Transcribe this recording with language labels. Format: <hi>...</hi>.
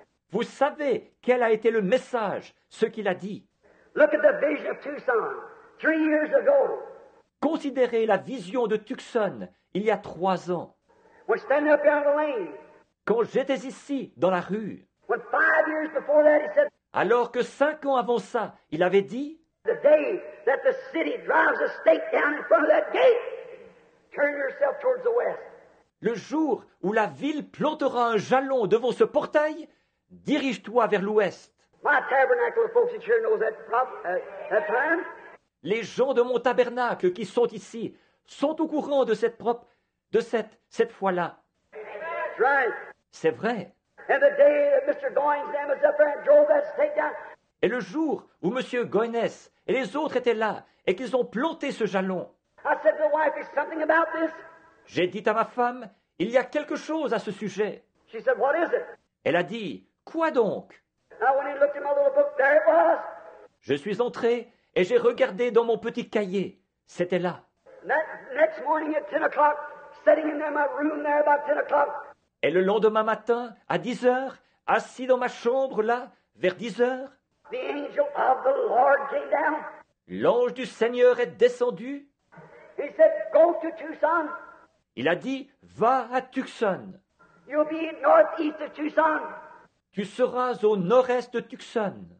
<fr>Vous savez quel a été le message, ce qu'il a dit.</fr> <en>Look at the vision of Tucson, 3 years ago.</en> <fr>Considérez la vision de Tucson il y a 3 ans.</fr> <en>When standing up down the lane.</en> <fr>Quand j'étais ici dans la rue.</fr> <en>When 5 years before that, he said.</en> <fr>Alors que 5 ans avant ça, il avait dit.</fr> <en>The day that the city drives a stake down in front of that gate, turn yourself towards the west.</en> <fr>Le jour où la ville plantera un jalon devant ce portail, dirige-toi vers l'ouest.</fr> <en>My tabernacle folks that sure knows that time.</en> <fr>Les gens de mon tabernacle qui sont ici sont au courant de cette fois-là.</fr> <en>Right.</en> <fr>C'est vrai.</fr> <en>And the day that Mr. Goines was up there and drove that stake down.</en> <fr>Et le jour où Monsieur Goines et les autres étaient là et qu'ils ont planté ce jalon.</fr> <en>I said to the wife, "Is something about this?"</en> <fr>J'ai dit à ma femme, il y a quelque chose à ce sujet.</fr> <en>She said, "What is it?"</en> <fr>Elle a dit, quoi donc?</fr> <en>Now when he looked in my little book, there it was.</en> <fr>Je suis entré et j'ai regardé dans mon petit cahier. C'était là.</fr> <en>Next morning at 10 o'clock, sitting in my room there about 10 o'clock.</en> <fr>Et le lendemain matin, à 10 heures, assis dans ma chambre là, vers 10 heures,</fr> <en>the angel of the Lord came down.</en> <fr>L'ange du Seigneur est descendu.</fr> <en>He said, go to Tucson.</en> <fr>Il a dit, va à Tucson.</fr> <en>You'll be northeast of Tucson.</en> <fr>Tu seras au nord-est de Tucson.</fr>